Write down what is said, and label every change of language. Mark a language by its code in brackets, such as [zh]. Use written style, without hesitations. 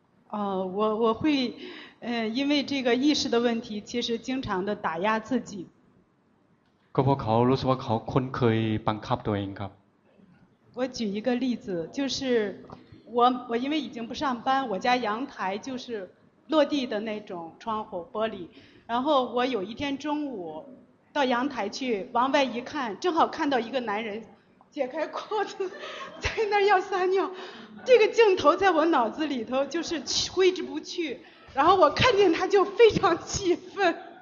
[zh] 哦我会因为这个意识的问题其实经常的打压自己 [th] ก็เพราะเขารู้สึกว่าเขาคุ้นเคยบังคับตัวเองครับ [zh] 我举一个例子就是我因为已经不上班我家阳台就是落地的那种窗户玻璃然后我有一天中午到阳台去往外一看正好看到一个男人解开裤子在那儿要撒尿这个镜头在我脑子里头就是挥之不去然后我看见他就非常气愤